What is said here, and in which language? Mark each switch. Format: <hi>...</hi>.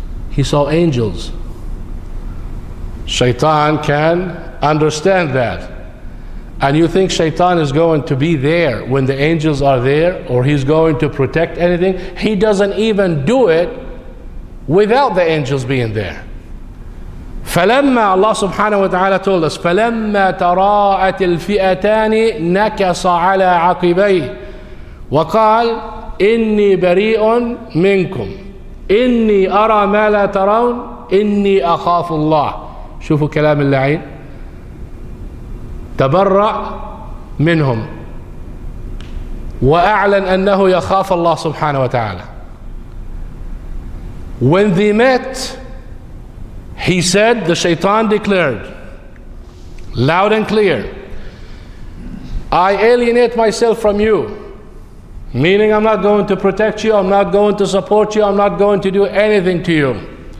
<en>He saw angels. Shaitan can understand that. And you think Shaitan is going to be there when the angels are there, or he's going to protect anything? He doesn't even do it without the angels being there.</en> <ar>فَلَمَّا</ar> <en>Allah subhanahu wa ta'ala told us,</en> <ar>فَلَمَّا تَرَاءَتِ الْفِئَتَانِ نَكَسَ عَلَىٰ عَقِبَيْهِ وَقَالْ إني بريء منكم إني أرى ما لا ترون إني أخاف الله. شوفوا كلام اللعين، تبرأ منهم وأعلن أنه يخاف الله سبحانه وتعالى.</ar> <en>When they met, he said, the shaitan declared loud and clear, I alienate myself from you. Meaning I'm not going to protect you, I'm not going to support you, I'm not going to do anything to you.</en>